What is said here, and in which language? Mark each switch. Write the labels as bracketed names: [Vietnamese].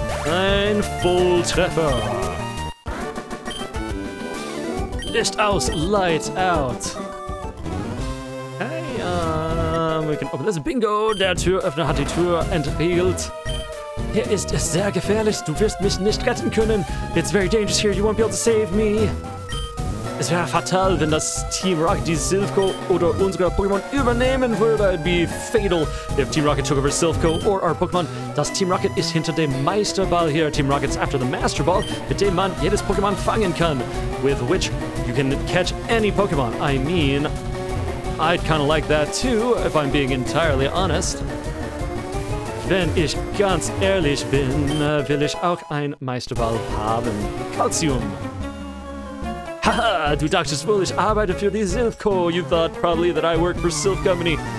[German] Ein Volltreffer. Licht aus, [English] Light out. Hey, we can open this. [German] Bingo, der Türöffner hat die Tür entriegelt. Hier ist es sehr gefährlich, du wirst mich nicht retten können. [English] It's very dangerous here, you won't be able to save me. [German] Es wäre fatal, wenn das Team Rocket die Silphco oder unsere Pokémon übernehmen würde. [English] It'd be fatal if Team Rocket took over Silphco or our Pokémon. [German] Das Team Rocket ist hinter dem Meisterball hier. [English] Team Rocket's after the Master Ball, [German] mit dem man jedes Pokémon fangen kann. [English] With which you can catch any Pokémon. I mean, I'd kind of like that too, if I'm being entirely honest. [German] Wenn ich ganz ehrlich bin, will ich auch ein Meisterball haben. Calcium! Haha, du dachtest wohl, ich arbeite für die Silphco. [English] You thought probably that I work for Silph Company.